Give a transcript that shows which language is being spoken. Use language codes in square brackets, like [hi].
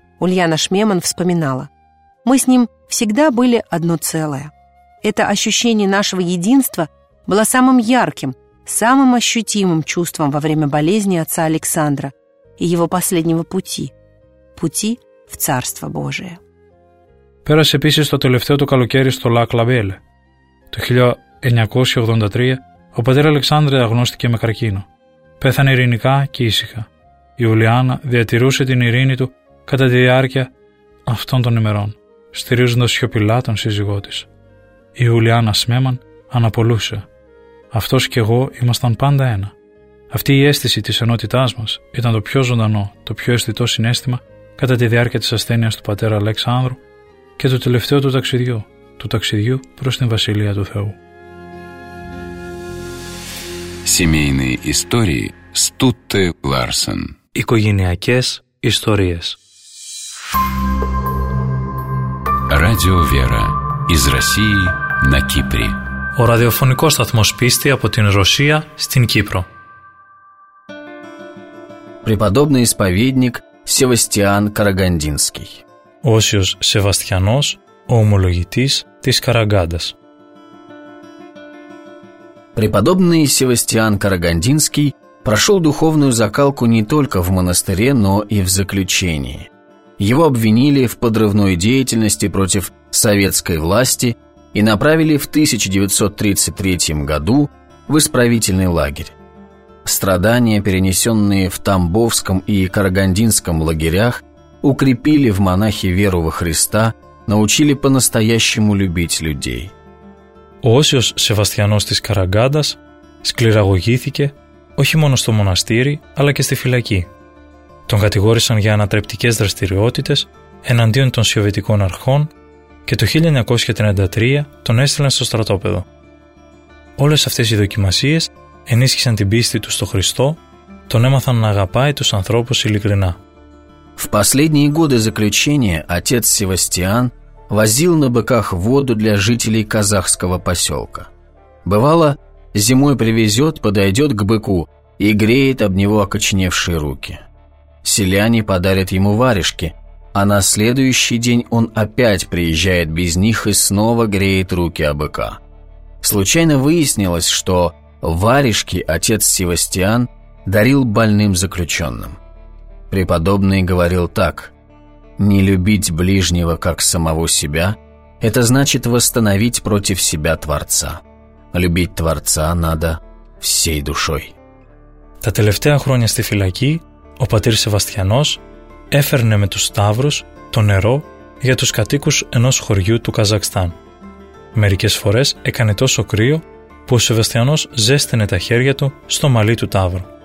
[ru] Ульяна Шмеман вспоминала: «Мы с ним всегда были одно целое. Это ощущение нашего единства было самым ярким, самым ощутимым чувством во время болезни отца Александра и его последнего пути». Пути в Царство Божие. [el] Πέρασε επίσης το τελευταίο του καλοκαίρι στο Λακ-Λαμπέλε. Το 1983 ο πατήρ Αλεξάνδρ διαγνώστηκε με καρκίνο. Πέθανε ειρηνικά και ήσυχα. Η Ιουλιάνα διατηρούσε την ειρήνη του κατά τη διάρκεια αυτών των ημερών, στηρίζοντας σιωπηλά τον σύζυγό της. Η Ιουλιάνα Σμέμαν αναπολούσε: «Αυτός και εγώ ήμασταν πάντα ένα». Αυτή η αίσθηση της ενότητάς μας ήταν το πιο ζωντανό, το πιο αισθητό συνέστημα κατά τη διάρκεια της ασθένειας του πατέρα Αλεξάνδρου και του τελευταίου του ταξιδιού, του ταξιδιού προς την Βασιλεία του Θεού. [ru] Семейные истории Стутте Ларсен. [el] Οικογενειακές ιστορίες. [ru] Радио Вера. Из России на Кипре. [el] Ο ραδιοφωνικός σταθμός πίστη από την Ρωσία στην Κύπρο. [ru] Преподобный исповедник Севастиан Карагандинский. [el] Осиос Севастьянос, омологитис тис Карагандас. [ru] Преподобный Севастиан Карагандинский прошел духовную закалку не только в монастыре, но и в заключении. Его обвинили в подрывной деятельности против советской власти и направили в 1933 году в исправительный лагерь. Страдания, перенесенные в Тамбовском и Карагандинском лагерях, укрепили в монахе веру во Христа, научили по-настоящему любить людей. [el] Осиос Севастьянос της Карагандας σκληραγωγήθηκε όχι μόνο στο μοναστήρι, αλλά και στη φυλακή. Τον κατηγόρησαν για ανατρεπτικές δραστηριότητες εναντίον των Σοβιετικών αρχών και το 1933 τον έστειλαν στο στρατόπεδο. Όλες αυτές οι δοκιμασίες ενίσχυσαν την πίστη του στο Χριστό, τον έμαθαν να αγαπάει τους ανθρώπους ειλικρινά. [ru] В последние годы заключения отец Севастьян возил на быках воду для жителей казахского поселка. Бывало, зимой привезет, подойдет к быку и греет об него окоченевшие руки. Селяне подарят ему варежки, а на следующий день он опять приезжает без них и снова греет руки о быка. Случайно выяснилось, что варежки отец Севастьян дарил больным заключенным. Преподобный говорил так: «Не любить ближнего, как самого себя, это значит восстановить против себя Творца. Любить Творца надо всей душой». [el] Τα τελευταία χρόνια στη φυλακή, ο πατήρ Σεβαστιανός έφερνε με τους σταύρους το νερό για τους κατοίκους ενός χωριού του Καζακστάν. Μερικές φορές έκανε τόσο κρύο που ο Σεβαστιανός ζέστηνε τα χέρια του στο μαλλί του τάβρου.